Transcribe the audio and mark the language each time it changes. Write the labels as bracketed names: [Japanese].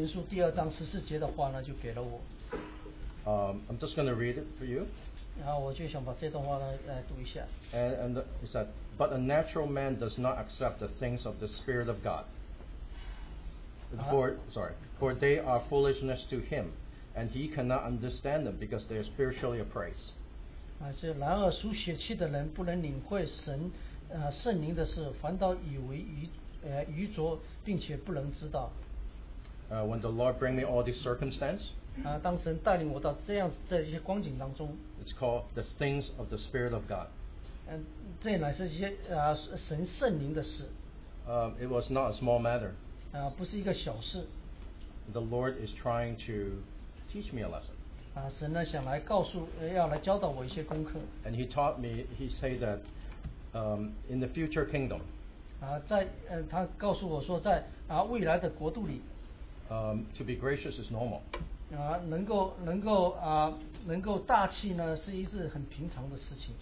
[Chinese] 但是神呢就把那个哥林多前书第2章14节的话呢就给了我。 [English] I'm just going to read it for you. [Chinese] 然后我就想把这段话呢来读一下。 [English] And he said, But a natural man does not accept the things of the Spirit of God. For they are foolishness to him, and he cannot understand them because they are spiritually appraised. [Chinese] 然而属血气的人不能领会圣灵的事，反倒以为愚拙，并且不能知道。 [English] When the Lord bring me all these circumstances, [Chinese] 当神带领我到这样这些光景当中, [English] it's called the things of the Spirit of God. [Chinese] 这乃是一些神圣灵的事。 [English] It was not a small matter. [Chinese] 不是一个小事。 [English] The Lord is trying to teach me a lesson. [Chinese] 神呢想来告诉，要来教导我一些功课。 [English] And He taught me. He said that in the future kingdom. [Chinese] 他告诉我说在未来的国度里。 [English] To be gracious is normal. [Chinese] 能够大气呢是一件很平常的事情。